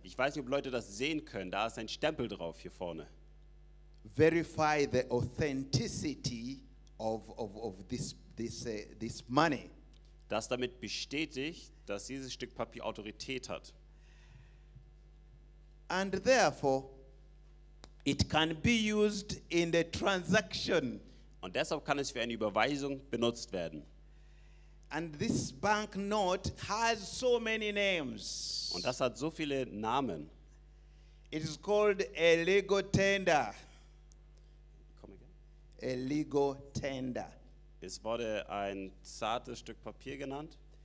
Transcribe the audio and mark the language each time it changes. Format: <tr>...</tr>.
<de>Ich weiß nicht, ob Leute das sehen können. Da ist ein Stempel drauf hier vorne.</de> <en>Verify the authenticity of this money.</en> <de>Das damit bestätigt, dass dieses Stück Papier Autorität hat.</de> <en>And therefore, it can be used in the transaction.</en> <de>Und deshalb kann es für eine Überweisung benutzt werden.</de> <en>And this bank note has so many names.</en> <de>Und das hat so viele Namen.</de> <en>It is called a legal tender. Come again. A legal tender.</en> <de>Es wurde ein zartes Stück Papier genannt.</de>